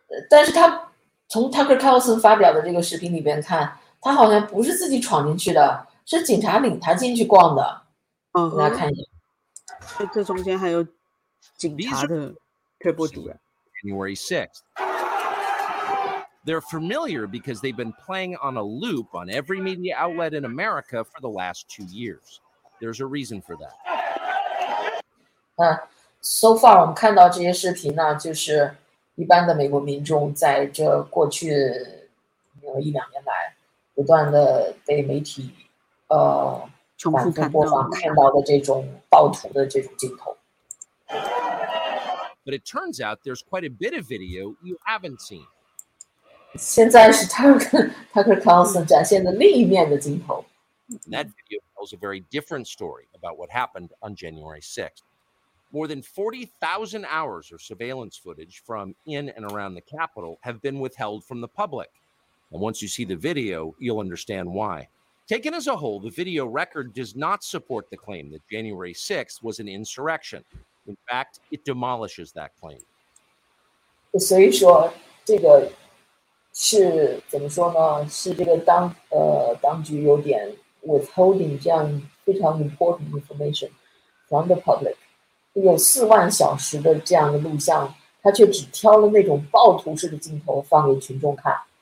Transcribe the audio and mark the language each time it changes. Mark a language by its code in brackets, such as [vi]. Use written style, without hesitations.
[zh] 但是他从 Tucker Carlson 发表的这个视频里边看，他好像不是自己闯进去的，是警察领他进去逛的。给大家看一下。这中间还有警察的推波助澜。 [en] January 6th. They're familiar because they've been playing on a loop on every media outlet in America for the last 2 years. There's a reason for that. So far [zh] 我们看到这些视频呢，就是一般的美国民众在这过去1、2年来不断的被媒体重反复复看播放看到的这种暴徒的这种镜头。 [en] But it turns out there's quite a bit of video you haven't seen. [zh] 现在是 Tucker Carlson 展现的另一面的镜头。 [en] That video tells a very different story about what happened on January 6th. More than 40,000 hours of surveillance footage from in and around the Capitol have been withheld from the public. And once you see the video, you'll understand why. Taken as a whole, the video record does not support the claim that January 6th was an insurrection. In fact, it demolishes that claim. [zh] 所以说，这个是怎么说呢？是这个当局有点 [en] withholding [zh] 这样非常 [en] important information from the public。 [zh] 有4万小时的这样的录像，他却只挑了那种暴徒式的镜头放给群众看。